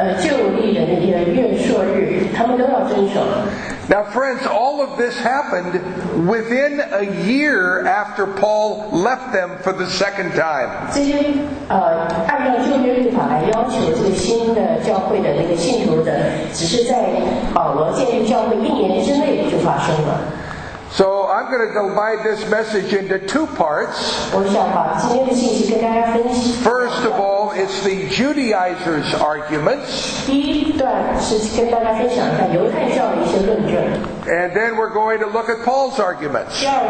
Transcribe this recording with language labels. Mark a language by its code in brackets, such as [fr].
[zh] 像他们所遵守的那些旧约的律法，像是礼拜六的时候，他们安息日的时候，或者是一些旧历的那些月朔日，他们都要遵守。 [en] Now, friends, all of this happened within a year after Paul left them for the second time. [zh] 这些按照旧约律法来要求这个新的教会的那个信徒的，只是在保罗建立教会一年之内就发生了。 [en] So I'm going to divide this message into two parts. First of all, it's the Judaizers' arguments. And then we're going to look at Paul's arguments.